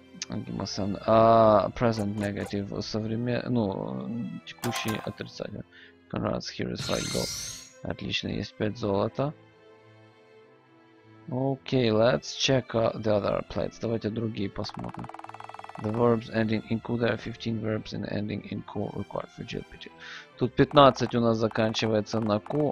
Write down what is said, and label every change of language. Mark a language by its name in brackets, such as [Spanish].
[English] Гимасен. Present negative. [Russian] Ну, текущий отрицательный. [English] Конрадс, here is five gold. [Russian] Отлично, есть 5 золота. [English] Okay, let's check the other plates. [Russian] Давайте другие посмотрим. [English] The verbs ending in ku, there are 15 verbs in ending in ku required for GLPT. [Russian] Тут 15 у нас заканчивается на ку.